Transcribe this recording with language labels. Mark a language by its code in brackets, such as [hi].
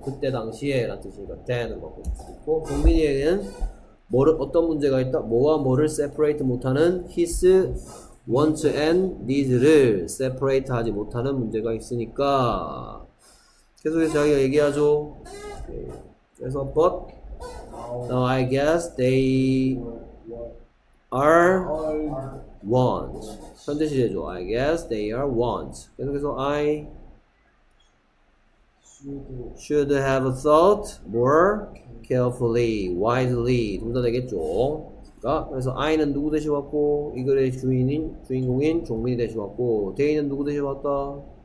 [ko] 그때 당시에 라는 뜻이니까 then을 갖고 있고, 동민이에게는 뭐를, 어떤 문제가 있다? 뭐와 뭐를 separate 못하는 [en] his wants and needs [ko] 를 separate 하지 못하는 문제가 있으니까. 계속해서 자기가 얘기하죠. 그래서, [en] but now I guess they are want. [ko] 현재 시제죠. [en] I guess they are want. 계속해서 I should have thought more carefully, wisely. [ko] 둘 다 되겠죠. 그러니까 그래서 I는 누구 대신 왔고, 이 글의 주인인, 주인공인 종민이 대신 왔고, they는 누구 대신 왔다?